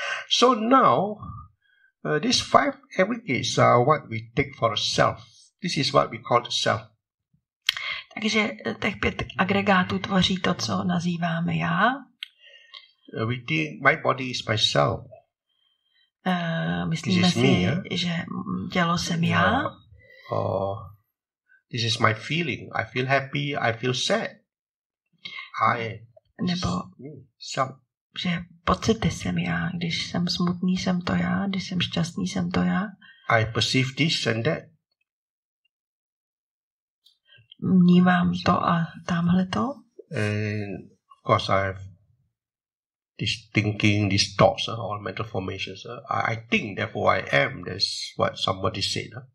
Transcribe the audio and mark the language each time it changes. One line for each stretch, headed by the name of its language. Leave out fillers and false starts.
English: So now, these five aggregates are what we take for self. This is what we call the self.
Czech: Takže těch pět agregátů tvoří to, co nazýváme já.
English: We think my body is myself.
Czech: Myslíme
English: this is
Czech: si,
English: me,
Czech: že tělo jsem já.
English: This is my feeling. I feel happy, I feel sad. I
Czech: nebo
English: self.
Czech: Že pocity jsem já, když jsem smutný, jsem to já, když jsem šťastný, jsem to já.
English: I perceive this and that.
Czech: Vnímám to a tamhle to.
English: And of course I have this thinking, these thoughts, all mental formations. I think, therefore I am. That's what somebody said.